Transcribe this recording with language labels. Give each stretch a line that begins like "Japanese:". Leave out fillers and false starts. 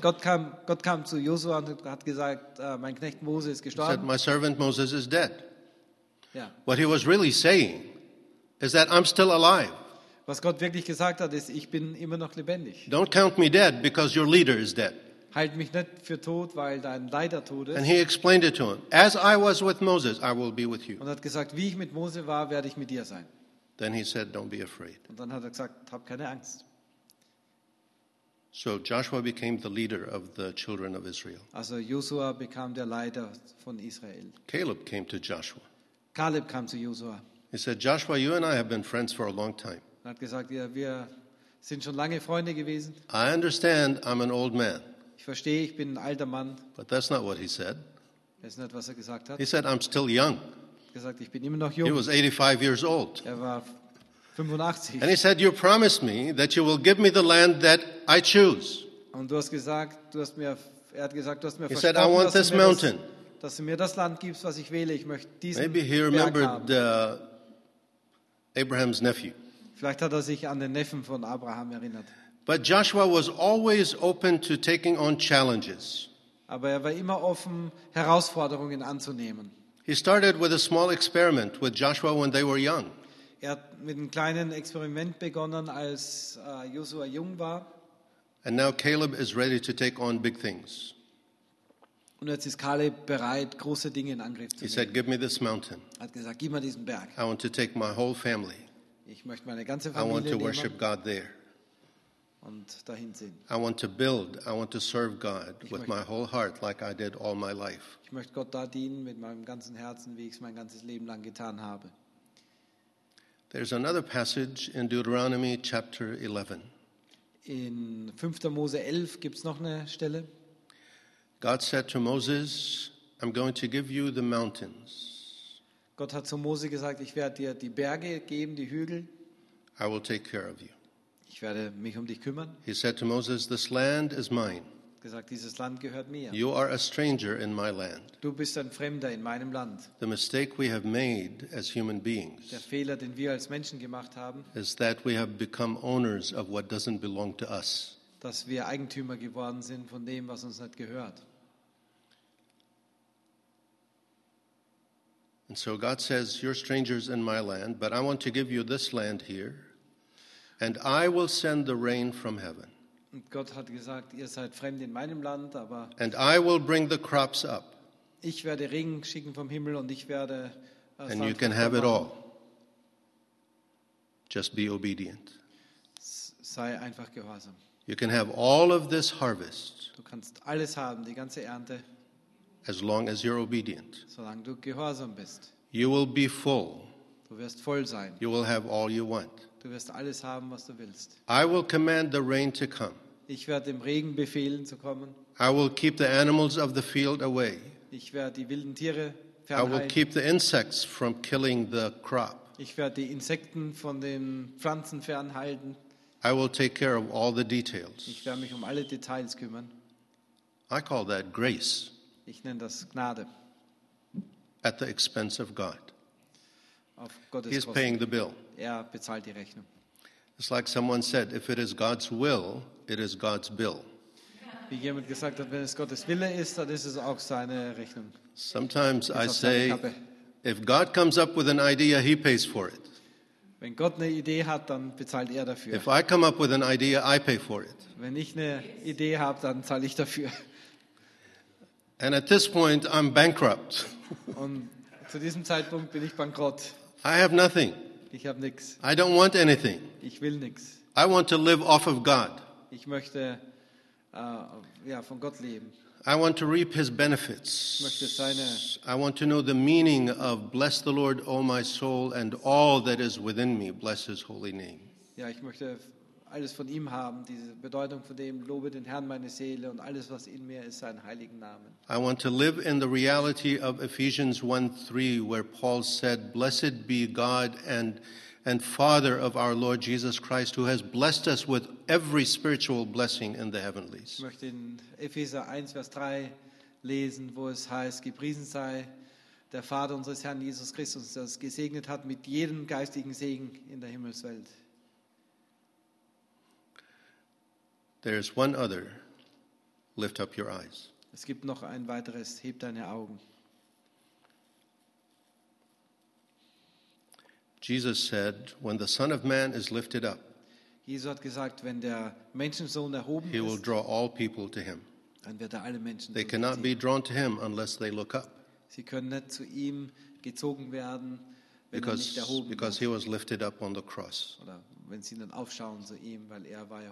English: God came to Joshua and
German: hat gesagt, mein Knecht Moses ist gestorben.
English: He said, my servant Moses is dead. Yeah. What he was really saying is that I'm still alive.
German: Was Gott wirklich gesagt hat, ist, ich bin immer noch lebendig.
English: Don't count me dead because your leader is dead.
German: Halt mich nicht für tot, weil dein Leiter tot ist.
English: And he explained it to him. As I was with Moses, I will be with you.
German: Und hat gesagt, wie ich mit Mose war, werde ich mit dir sein.
English: Then he said, don't be afraid.
German: Und dann hat er gesagt, hab keine Angst.
English: So Joshua became the leader of the children of Israel.
German: Also Joshua bekam der Leiter von Israel.
English: Caleb came to Joshua.
German: Caleb kam zu Joshua.
English: He said, Joshua, you and I have been friends for a long time.
German: Er hat gesagt, ja, wir sind schon lange Freunde gewesen.
English: I understand I'm an old man.
German: Ich verstehe, ich bin ein alter Mann.
English: But that's not what he said.
German: Das ist nicht, was er gesagt hat.
English: He said, I'm still young.
German: Gesagt, ich bin immer noch jung.
English: He was 85 years old.
German: Er war 85.
English: And he said, you promised me that you will give me the land that I choose.
German: Und du hast gesagt, du hast mir, er hat gesagt, du hast mir
English: he
German: versprochen,
English: said, I want
German: dass,
English: this mountain.
German: Dass du mir das Land gibst, was ich wähle. Ich möchte diesen
English: Maybe he
German: Berg
English: remembered
German: haben.
English: Abraham's nephew.
German: Vielleicht hat er sich an den Neffen von Abraham erinnert.
English: But Joshua was always open to taking on challenges.
German: Aber er war immer offen, Herausforderungen anzunehmen.
English: He started with a small experiment with Joshua when they were young.
German: Er hat mit einem kleinen Experiment begonnen, als Joshua jung war.
English: And now Caleb is ready to take on big things.
German: Und jetzt ist Caleb bereit, große Dinge in Angriff zu nehmen.
English: He said, "Give me this mountain."
German: Er hat gesagt, gib mir diesen Berg.
English: I want to take my whole family.
German: Ich möchte meine ganze Familie
English: I want to
German: nehmen.
English: Worship God there.
German: Und dahin sehen.
English: I want to build, I want to serve God with my whole heart like I did all my life.
German: Ich möchte Gott da dienen mit meinem ganzen Herzen, wie ich es mein ganzes Leben lang getan habe.
English: There's another passage in Deuteronomy chapter 11.
German: In 5. Mose 11 gibt es noch eine Stelle.
English: God said to Moses, I'm going to give you the mountains.
German: Gott hat zu Mose gesagt, ich werde dir die Berge geben, die Hügel.
English: I will take care of you.
German: Ich werde mich um dich kümmern.
English: He said to Moses, this land is mine.
German: Gesagt, dieses Land gehört mir.
English: You are a stranger in my land.
German: Du bist ein Fremder in meinem Land.
English: The mistake we have made as human beings.
German: Der Fehler, den wir als Menschen gemacht haben,
English: is that we have become owners of what doesn't belong to us.
German: Dass wir Eigentümer geworden sind von dem, was uns nicht gehört.
English: And so God says, you're strangers in my land, but I want to give you this land here. And I will send the rain from heaven.
German: Und Gott hat gesagt, ihr seid fremd in meinem Land, aber
English: And I will bring the crops up.
German: Ich werde Regen schicken vom Himmel und ich werde
English: Saat And you can have it all. Just be obedient.
German: Sei einfach gehorsam.
English: You can have all of this harvest.
German: Du kannst alles haben, die ganze Ernte.
English: As long as you're obedient.
German: Solange du gehorsam bist.
English: You will be full.
German: Du wirst voll sein.
English: You will have all you want.
German: Du wirst alles haben, was du willst.
English: I will command the rain to come.
German: Ich werde dem Regen befehlen zu kommen.
English: I will keep the animals of the field away.
German: Ich werde die wilden Tiere fernhalten.
English: I will keep the insects from killing the crop.
German: Ich werde die Insekten von den Pflanzen fernhalten.
English: I will take care of all the details.
German: Ich werde mich um alle Details kümmern.
English: I call that grace.
German: Ich nenne das Gnade.
English: At the expense of God.
German: Auf Gottes
English: He is paying the bill.
German: Er bezahlt die Rechnung.
English: It's like someone said, if it is God's will, it is God's bill.
German: Wie jemand gesagt hat, wenn es Gottes Wille ist, dann ist es auch seine Rechnung.
English: Sometimes I say, if God comes up with an idea, he pays for it.
German: Wenn Gott eine Idee hat, dann bezahlt er dafür.
English: If I come up with an idea, I pay for it.
German: Wenn ich eine Idee habe, dann zahle ich dafür.
English: And at this point, I'm bankrupt.
German: Und zu diesem Zeitpunkt bin ich bankrott.
English: I have nothing.
German: Ich habe nichts.
English: I don't want anything.
German: Ich will nichts.
English: I want to live off of God.
German: Ich möchte von Gott leben.
English: I want to reap his benefits.
German: Ich möchte seine
English: I want to know the meaning of bless the Lord, O my soul, and all that is within me, bless his holy name.
German: Ja, ich möchte alles von ihm haben, diese Bedeutung von dem, lobe den Herrn meine Seele und alles, was in mir ist, seinen heiligen Namen.
English: I want to live in the reality of Ephesians 1:3, where Paul said, blessed be God and Father of our Lord Jesus Christ, who has blessed us with every spiritual blessing in the heavenlies.
German: Ich möchte in Epheser 1, Vers 3 lesen, wo es heißt, gepriesen sei der Vater unseres Herrn Jesus Christus, der es gesegnet hat mit jedem geistigen Segen in der Himmelswelt.
English: There's one other. Lift up your eyes.
German: Es gibt noch ein weiteres. Heb deine Augen.
English: Jesus said, when the Son of Man is lifted up,
German: Jesus hat gesagt, wenn der Menschensohn erhoben ist,
English: he will draw all people to him.
German: Dann wird er alle Menschen
English: They cannot be drawn to him unless they look up.
German: Sie können nicht zu ihm gezogen werden,
English: because he was lifted up on the cross.
German: Oder wenn sie dann aufschauen zu ihm, weil er war ja.